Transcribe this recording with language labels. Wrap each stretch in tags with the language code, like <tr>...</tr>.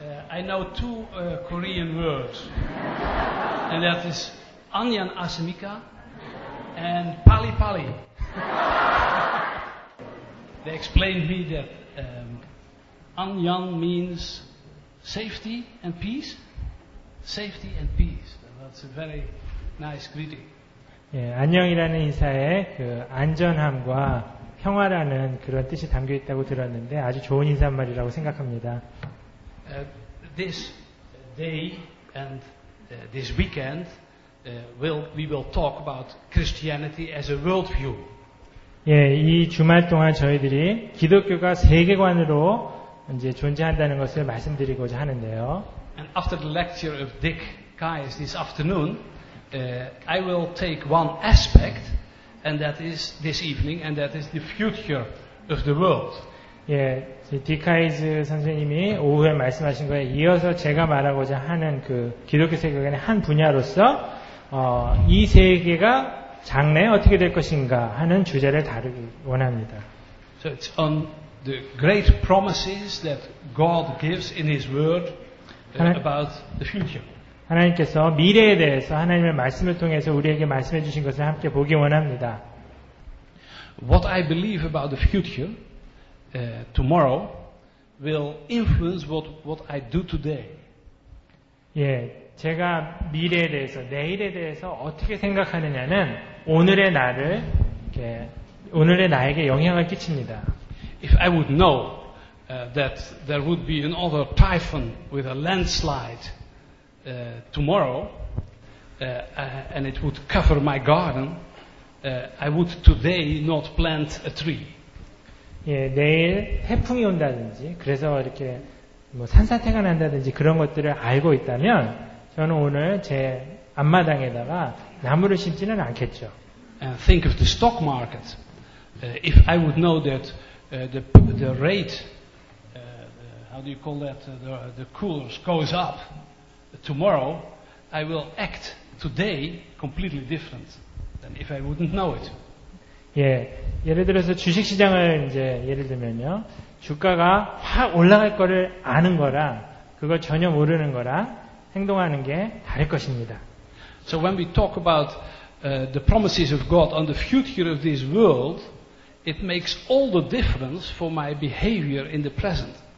<en>I know two Korean words, and that is Anyan Hasemika and Pali Pali. They explained me that Anyan means safety and peace. Safety and peace. That's a very nice greeting.</en> <ko>예, 안녕이라는 인사에 그 안전함과 평화라는 그런 뜻이 담겨 있다고 들었는데 아주 좋은 인사말이라고 생각합니다.</ko> <en>This day and this weekend we will talk about Christianity as a worldview.</en> <ko>예, 이 주말 동안 저희들이 기독교가 세계관으로 이제 존재한다는 것을 말씀드리고자 하는데요.</ko> <en>And after the lecture of Dick Kies this afternoon, I will take one aspect, and that is this evening, and that is the future of the world.</en> <ko>예, 디카이즈 선생님이 오후에 말씀하신 거에 이어서 제가 말하고자 하는 그 기독교 세계관의 한 분야로서 이 세계가 장래 어떻게 될 것인가 하는 주제를 다루기 원합니다.</ko> <en>So it's on the great promises that God gives in His Word about the future.</en> <ko>하나님께서 미래에 대해서 하나님의 말씀을 통해서 우리에게 말씀해 주신 것을 함께 보기 원합니다.</ko> <en>What I believe about the future tomorrow will influence what I do today.</en> <ko>예, 제가 미래에 대해서 내일에 대해서 어떻게 생각하느냐는 오늘의 나를 이렇게 오늘의 나에게 영향을 끼칩니다.</ko> <en>If I would know that there would be another typhoon with a landslide tomorrow, and it would cover my garden, I would today not plant a tree.</en> <ko>예, 내일 태풍이 온다든지, 그래서 이렇게 뭐 산사태가 난다든지 그런 것들을 알고 있다면, 저는 오늘 제 앞마당에다가 나무를 심지는 않겠죠.</ko> <en>And think of the stock market. If I would know that the rate, how do you call that, the course goes up. Tomorrow, I will act today completely different than if I wouldn't know it.</en> <ko>예, 예를 들어서 주식시장을 이제 예를 들면요, 주가가 확 올라갈 거를 아는 거랑 그걸 전혀 모르는 거랑 행동하는 게 다를 것입니다.</ko> <en>So when we talk about the promises of God on the future of this world, it makes all the difference for my behavior in the present.</en>